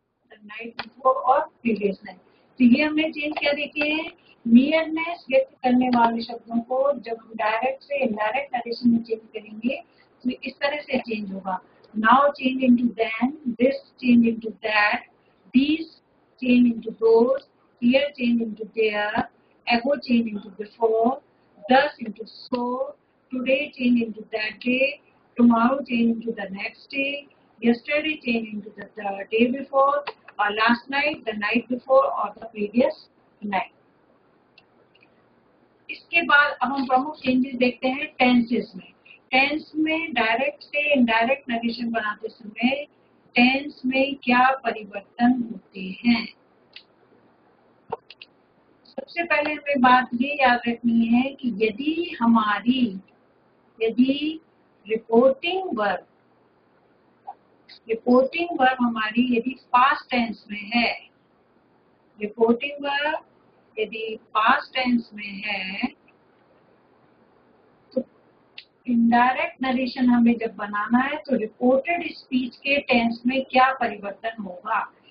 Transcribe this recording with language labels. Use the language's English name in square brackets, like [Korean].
[English] the night before [Hindi] और [English] Previous night. [Hindi] तो ये हमने चेंज क्या देखे हैं, नियरनेस व्यक्त करने वाले शब्दों को जब हम डायरेक्ट से इनडायरेक्ट नरेशन में चेंज करेंगे तो इस तरह से चेंज होगा. [English] Now change into then, this change into that, these change into those, here change into there, ago change into before, thus into so, today change into that day, tomorrow change into the next day, yesterday change into the day before, or last night, the night before, or the previous night. [Hindi] इसके बाद अब हम प्रमुख changes देखते हैं tenses में. Tense में direct से इनडायरेक्ट नरेशन बनाते समय टेंस में क्या परिवर्तन होते हैं. सबसे पहले हमें बात ये याद रखनी है कि यदि हमारी, यदि रिपोर्टिंग वर्ब हमारी यदि पास्ट टेंस में है, रिपोर्टिंग वर्ब यदि पास्ट टेंस में है इनडायरेक्ट नरेशन हमें जब बनाना है तो रिपोर्टेड स्पीच के टेंस में क्या परिवर्तन होगा.